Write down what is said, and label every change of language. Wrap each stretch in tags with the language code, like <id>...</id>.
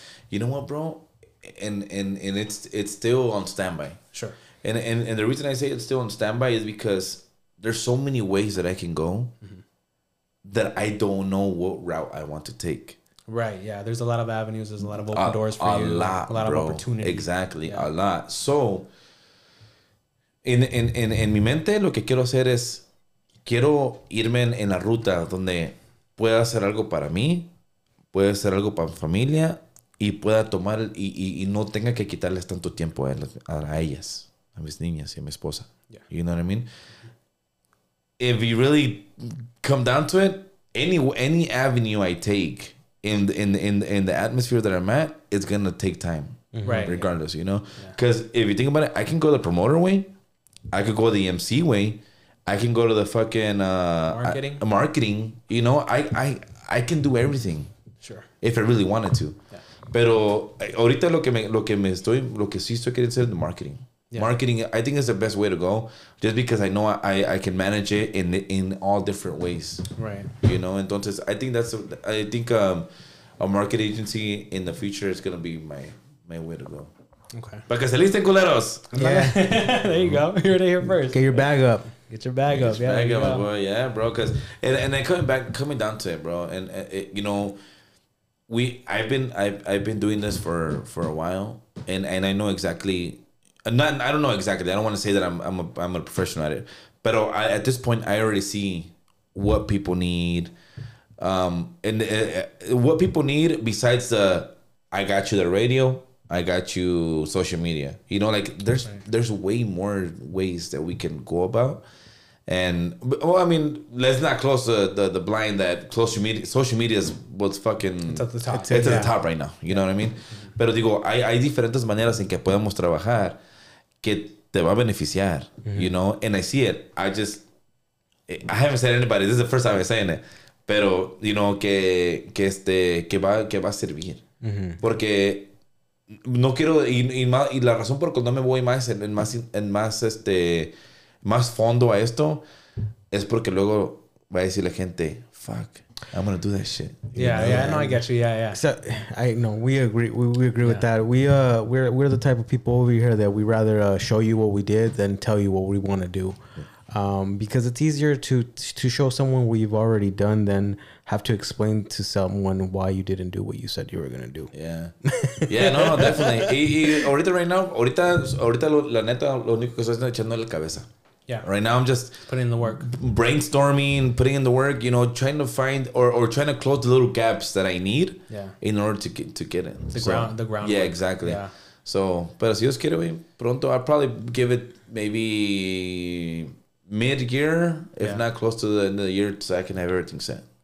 <en>You know what, bro? And it's still on standby. Sure. And the reason I say it's still on standby is because there's so many ways that I can go mm-hmm. that I don't know what route I want to take. Right. Yeah. There's a lot of avenues. There's a lot of open doors for you. A lot bro. Of opportunities. Exactly. Yeah. A lot. So in</en> <es>mi mente, lo que quiero hacer es quiero irme en la ruta donde pueda hacer algo para mí, pueda hacer algo para mi familia. Y pueda tomar y no tenga que quitarles tanto tiempo a ellas, a mis niñas y a mi esposa.</es> <en>Yeah. You know what I mean? If you really come down to it, any avenue I take in the atmosphere that I'm at, it's going to take time. Mm-hmm. Right. Regardless, yeah. You know? Because yeah. If you think about it, I can go the promoter way. I could go the MC way. I can go to the fucking... Marketing. You know? I can do everything. Sure. If I really wanted to.</en> <es>Pero ahorita lo que sí estoy queriendo hacer es marketing.</es> <en>Yeah. Marketing, I think is the best way to go. Just because I know I can manage it in all different ways. Right. You know,</en> <es>entonces,</es> <en>I think a market agency in the future is going to be my way to go. Okay.</en> <es>Para que se listen, culeros.</es> <en>Yeah. There you go. You're right here first. Get your bag up. Get your bag up, boy. Yeah, bro. Cause, and then coming down to it, bro. And, you know... I've been doing this for a while and I know exactly I don't know exactly. I don't want to say that I'm a professional at it. But at this point I already see what people need. What people need besides the I got you the radio, I got you social media. You know, like there's way more ways that we can go about And, well, I mean, let's not close the blind that social media is what's fucking... It's at the top. It's at the top right now. You know what I mean?</en> <es>Pero digo, hay diferentes maneras en que podemos trabajar que te va a beneficiar.</es> <en>Mm-hmm. You know? And I see it. I haven't said anybody. This is the first time I'm saying it.</en> <es>Pero,</es> <en>you know,</en> <es>que va a servir. Mm-hmm. Porque... No quiero, y la razón por la cual no me voy más más fondo a esto es porque luego va a decir la gente,</es> <en>fuck, I'm gonna do that shit. I get you, so we agree with that. We're the type of people over here that we'd rather show you what we did than tell you what we want to do. Because it's easier to show someone what you've already done than have to explain to someone why you didn't do what you said you were going to do. Yeah. Yeah, no, definitely.</en> <es>Y ahorita,</es> <en>right now,</en> <es>ahorita la neta, lo único que estoy haciendo es echando la cabeza.</es> <en>Yeah. Right now, I'm just... Putting in the work. Brainstorming, putting in the work, you know, trying to find or trying to close the little gaps that I need in order to get in. The ground. Yeah, exactly. Yeah. So,</en> <es>pero si Dios quiere, pronto,</es> <en>I'll probably give it maybe... mid-year, if not close to the end of the year, so I can have everything set.</en>